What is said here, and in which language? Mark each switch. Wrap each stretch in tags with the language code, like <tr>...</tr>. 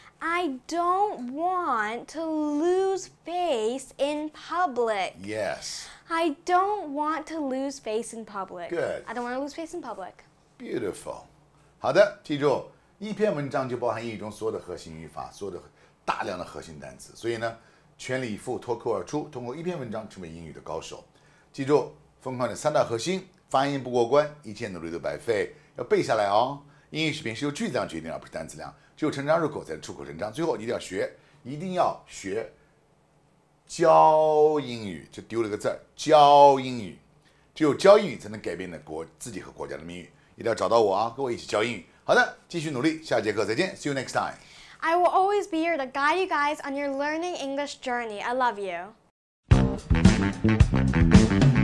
<en>I don't want to lose face in public. Yes. I don't want to lose face in public. Good. I don't want to lose face in public. Beautiful.</en> <zh>好的，记住，一篇文章就包含英语中所有的核心语法，所有的大量的核心单词，所以呢全力以赴脱口而出，通过一篇文章成为英语的高手。记住疯狂的三大核心，发音不过关，一切努力都白费，要背下来哦。英语视频是由句子量决定，而不是单词量，只有成章入口才是出口成章。最后一定要学教英语，就丢了个字，教英语，只有教英语才能改变自己和国家的命运。一定要找到我啊，跟我一起教英语。好的，继续努力，下节课再见。</zh> <en>See you next time。 I will always be here to guide you guys on your learning English journey. I love you.</en>